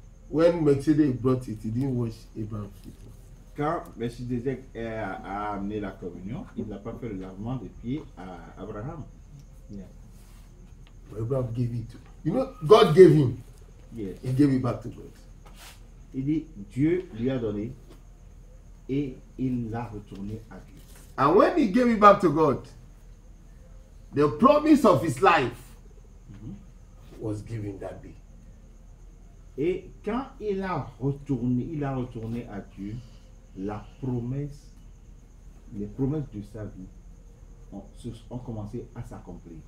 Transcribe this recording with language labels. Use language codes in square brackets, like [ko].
[en] When Melchizedek brought it, he didn't wash Abraham's feet. [fr] Quand Melchizedek a amené la communion, il n'a pas fait le lavement des pieds à Abraham. [en] Yeah. Abraham gave it to him. You know, God gave him. Yes. He gave it back to God. [fr] Il dit, Dieu lui a donné et il l'a retourné à Dieu. [en] And when he gave it back to God, the promise of his life was given that day. [fr] Et quand il a retourné à Dieu, les promesses de sa vie ont commencé à s'accomplir.